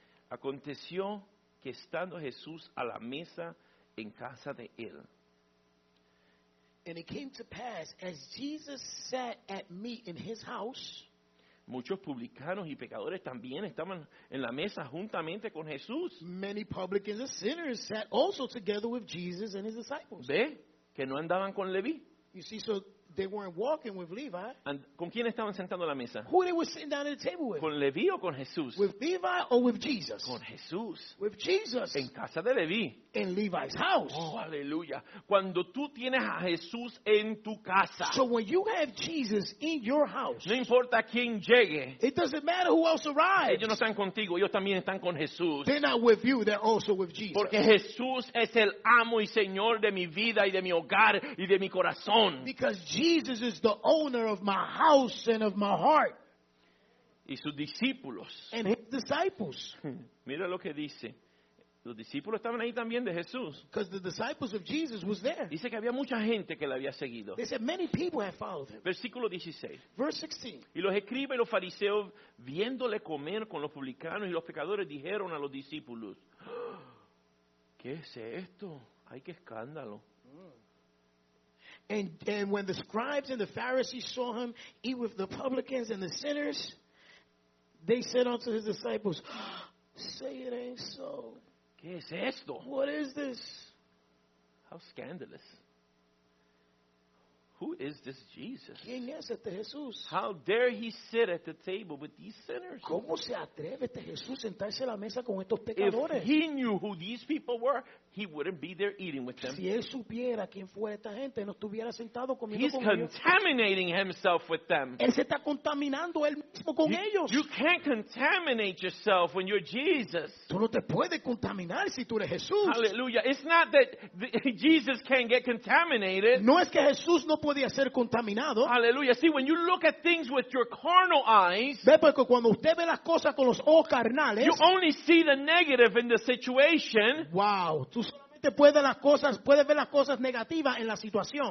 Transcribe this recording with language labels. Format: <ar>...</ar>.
<es>Aconteció que estando Jesús a la mesa en casa de él.</es> <en>And it came to pass, as Jesus sat at meat in his house,</en> <es>muchos publicanos y pecadores también estaban en la mesa juntamente con Jesús.</es> <en>Many publicans and sinners sat also together with Jesus and his disciples.</en> <es>¿Ve? Que no andaban con Leví.</es> <en>You see, so they weren't walking with Levi.</en> <es>And ¿con quién estaban sentando a la mesa?</es> <en>Who they were sitting down at the table with?</en> <es>¿Con Leví o con Jesús?</es> <en>With Levi or with Jesus?</en> <es>Con Jesús.</es> <en>With Jesus.</en> <es>En casa de Leví.</es> <en>In Levi's house.</en> <es>Oh, aleluya. Cuando tú tienes a Jesús en tu casa.</es> <en>So when you have Jesus in your house.</en> <es>No importa quién llegue.</es> <en>It doesn't matter who else arrives.</en> <es>Ellos no están contigo, ellos también están con Jesús.</es> <en>They're not with you, they're also with Jesus.</en> <es>Porque Jesús es el amo y señor de mi vida y de mi hogar y de mi corazón.</es> <en>Because Jesus is the owner of my house and of my heart.</en> <es>Y sus discípulos.</es> <en>And his disciples.</en> <es>Mira lo que dice. Los discípulos estaban ahí también de Jesús.</es> <en>Because the disciples of Jesus was there.</en> <es>Dice que había mucha gente que le había seguido.</es> <en>They said many people had followed him.</en> <es>Versículo 16.</es> <en>Verse 16.</en> <es>Y los escribas y los fariseos, viéndole comer con los publicanos y los pecadores, dijeron a los discípulos, ¿qué es esto? ¡Ay, qué escándalo!</es> <en>And when the scribes and the Pharisees saw him eat with the publicans and the sinners, they said unto his disciples, say it ain't so.</en> <es>¿Qué es esto?</es> <en>What is this? How scandalous. Who is this Jesus?</en> <es>¿Quién es este Jesús?</es> <en>How dare he sit at the table with these sinners?</en> <es>¿Cómo se atreve este Jesús sentarse a la mesa con estos pecadores?</es> <en>If he knew who these people were, he wouldn't be there eating with them.</en> <es>Si él supiera quién fuera esta gente, no estuviera sentado comiendo con ellos.</es> <en>He's contaminating himself with them.</en> <es>Él se está contaminando él mismo con ellos.</es> <en>You can't contaminate yourself when you're Jesus.</en> <es>Tú no te puedes contaminar si tú eres Jesús.</es> <en>Hallelujah. It's not that Jesus can't get contaminated.</en> <es>No es que Jesús no podía ser contaminado.</es> <en>Hallelujah. See, when you look at things with your carnal eyes,</en> <es>ve porque cuando usted ve las cosas con los ojos carnales,</es> <en>you only see the negative in the situation. Wow.</en> <es>Tú solamente puedes ver las cosas negativas en la situación.</es>